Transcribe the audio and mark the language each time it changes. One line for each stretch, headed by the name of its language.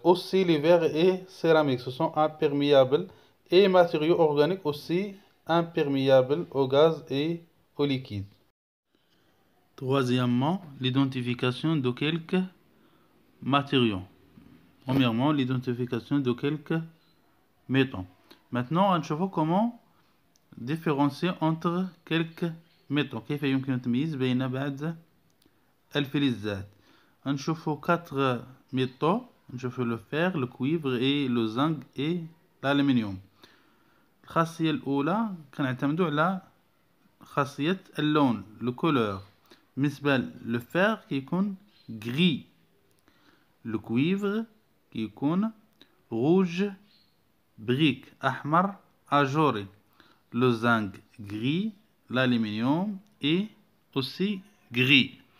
French: Aussi les verres et céramiques, ce sont imperméables et matériaux organiques aussi imperméables aux gaz et aux liquides. Troisièmement, l'identification de quelques matériaux. Premièrement, l'identification de quelques métaux. Maintenant, on va voir comment différencier entre quelques métaux.
Arabic: كيف يمكن التمييز بين بعض الفلزات.
French: On va voir quatre métaux. On va voir le fer, le cuivre et le zinc et l'aluminium.
Arabic: الخاصية الأولى كنعتمدوا على خاصية اللون,
French: le couleur. بالنسبة le fer qui est gris. Le cuivre qui est rouge brique, ahmar ajouré. Le zinc gris, l'aluminium est aussi gris.